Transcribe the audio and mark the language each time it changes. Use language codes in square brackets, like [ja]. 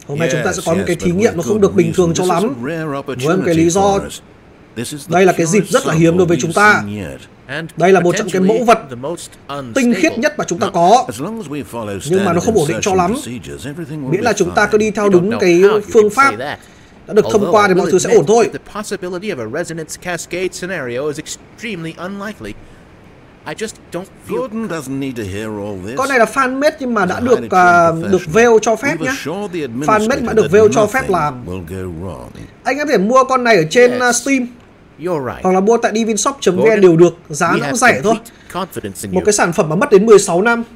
[vi] Hôm nay chúng ta sẽ có một cái thí nghiệm nó không được bình thường cho lắm. Với một cái lý do. Đây là cái dịp rất là hiếm đối với chúng ta. Đây là một trong cái mẫu vật tinh khiết nhất mà chúng ta có. Nhưng mà nó không ổn định cho lắm. Miễn là chúng ta cứ đi theo đúng cái phương pháp đã được thông qua thì mọi thứ sẽ ổn thôi. [en] The possibility of a resonance cascade scenario is extremely unlikely. I just don't feel. Gordon doesn't need to hear all this. [vi] Con này là fan made nhưng mà đã được được veil cho phép nhé. Fan made mà được veil cho phép làm. Anh em có thể mua con này ở trên Steam. [en] You're right. [vi] Hoặc là mua tại divinshop.vn đều được, giá nó cũng rẻ thôi. Một cái sản phẩm mà mất đến 16 năm.